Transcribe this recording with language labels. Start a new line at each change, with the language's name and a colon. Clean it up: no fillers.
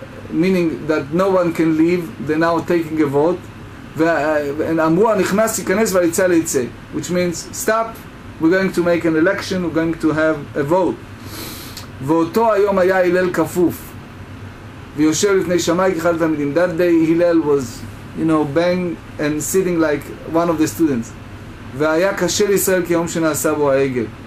English: meaning that no one can leave, they're now taking a vote, and
Hebrew: amru ha-nichnas yikanes v'alitza leitze,
English: which means stop, we're going to make an election, we're going to have a vote.
Hebrew: ואותו היום היה הלל כפוף ויושב לפני שמאי כאחד התלמידים.
English: That day הלל was, you know, bang and sitting like one of the students.
Hebrew: והיה קשה לישראל כיום שנעשה בו העגל.